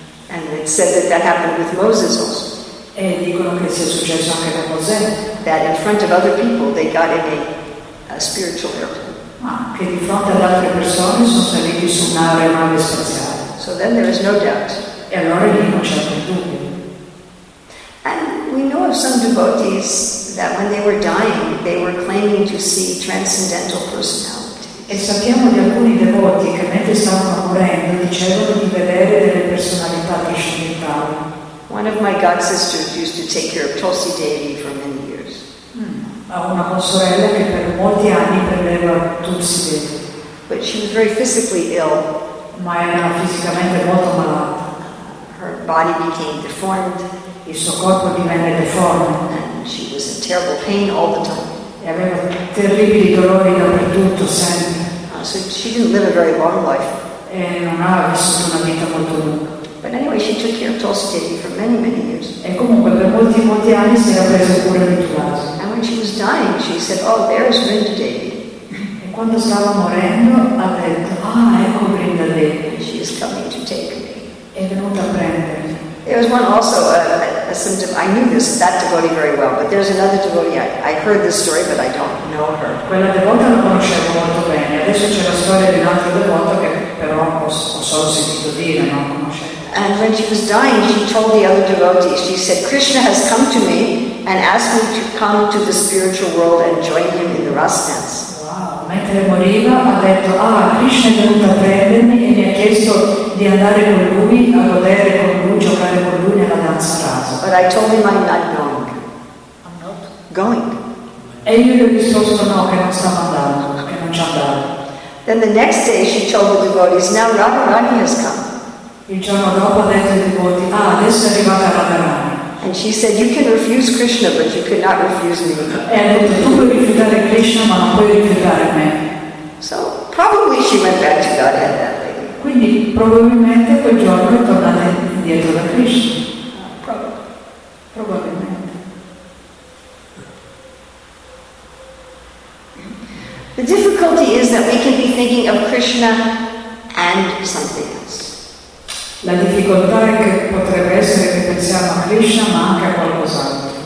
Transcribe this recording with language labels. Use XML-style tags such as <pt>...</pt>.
<en>And it said that that happened with Moses also.</en> <it>E dicono che sia successo anche con Mosè.</it> <en>That in front of other people they got in a spiritual airplane.</en> <it>Che di fronte ad altre persone sono saliti su un aeroplano spaziale.</it> <en>So then there is no doubt.</en> <it>E allora lì non c'è alcun dubbio.</it> <en>And we know of some devotees that when they were dying, they were claiming to see transcendental personalities.</en> <it>E sappiamo di alcuni devoti che mentre stavano morendo dicevano di vedere delle personalità trascendentali.</it> <en>One of my god sisters used to take care of Tulsi Devi for many years.</en> <it>Ha una consorella che per molti anni prendeva Tulsi Devi.</it> <en>But she was very physically ill.</en> <it>Ma era fisicamente molto malata.</it> <en>Her body became deformed.</en> <it>Il suo corpo divenne deforme.</it> <en>She was in terrible pain all the time.</en> <it>E aveva terribili dolori dappertutto sempre.</it> <en>So she didn't live a very long life.</en> <it>E non ha vissuto una vita molto lunga.</it> <en>But anyway, she took care of Tulsi Devi for many, many years.</en> <it>E comunque per molti, molti anni si era presa cura di Tulsi.</it> <en>And when she was dying, she said, "Oh, there's Vrinda Devi."</en> <it>E quando stava morendo, ha detto, "Ah, ecco Vrinda Devi."</it> <en>She is coming to take me.</en> <it>È venuta a prendermi.</it> <en>There was one also, a symptom. I knew this, that devotee very well, but there's another devotee. I heard this story, but I don't know her.</en> <it>Quella devota la conoscevo molto bene. Adesso c'è la storia di un altro devoto che però ho solo sentito dire, non conoscevo.</it> <en>And when she was dying, she told the other devotees, she said, "Krishna has come to me and asked me to come to the spiritual world and join him in the Ras dance." Wow.</en> <it>Mentre moriva, ha detto, "Ah, Krishna è venuto a prendermi e mi ha chiesto di andare con lui a godere con lui.</it> <en>But I told him I'm not going. I'm not going."</en> <it>E io gli ho risposto no, che non stavo andando, che non ci andavo.</it> <en>Then the next day she told the devotees, "Now Radharani has come."</en> <it>Il giorno dopo ha detto ai devoti, "Ah, adesso è arrivata Radharani."</it> <en>And she said, "You can refuse Krishna, but you cannot refuse me."</en> <it>E ha detto, "Tu puoi rifiutare Krishna, ma non puoi rifiutare me."</it> <en>So probably she went back to Godhead that day.</en> <it>Quindi probabilmente quel giorno è tornata indietro da Krishna.</it> <en>The difficulty is that we can be thinking of Krishna and something else.</en> <it>La difficoltà è che potrebbe essere che pensiamo a Krishna ma anche a qualcos'altro.</it>